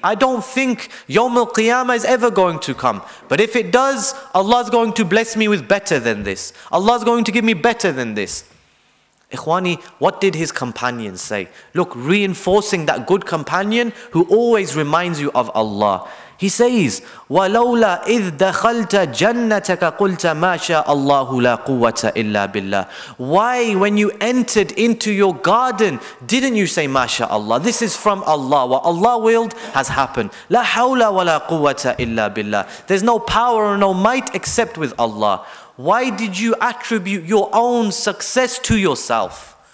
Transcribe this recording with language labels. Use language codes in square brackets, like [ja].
[en] I don't think Yawm al-Qiyamah is ever going to come. But if it does, Allah's going to bless me with better than this. Allah's going to give me better than this. Ikhwani, what did his companion say? Look, reinforcing that good companion who always reminds you of Allah. He says, [ar] وَلَوْلَا إِذْ دَخَلْتَ جَنَّتَكَ قُلْتَ مَا شَاءَ اللَّهُ لَا قُوَّةَ إِلَّا بِاللَّهِ. [en] Why, when you entered into your garden, didn't you say, MashaAllah? This is from Allah. What Allah willed has happened. [ar] لَا حَوْلَ وَلَا قُوَّةَ إِلَّا بِاللَّهِ. [en] There's no power or no might except with Allah. Why did you attribute your own success to yourself?